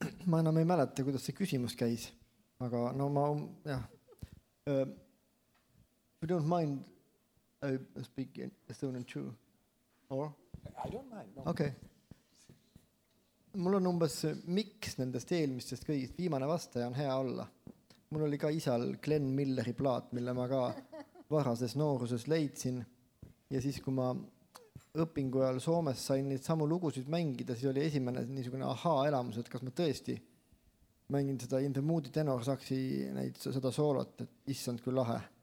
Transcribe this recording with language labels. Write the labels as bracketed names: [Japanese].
[Estonian] Ma enam ei mäleta, kuidas see küsimus käis, aga no ma, jah. [English] If you don't mind, I speak in Estonian too. Or? I don't mind. No. Okay. [Estonian] Mul on umbes, miks nendest eelmistest kõigist viimane vastaja on hea olla. Mul oli ka isal Glenn Milleri plaat, mille ma ka varases nooruses leidsin. Ja siis, kui ma õpingu ajal Soomes sain need samu lugusid mängida, siis oli esimene niisugune aha-elamus, et kas ma tõesti mängin seda In the Moody Tenor Saksi neid seda soolot, et issand küll lahe.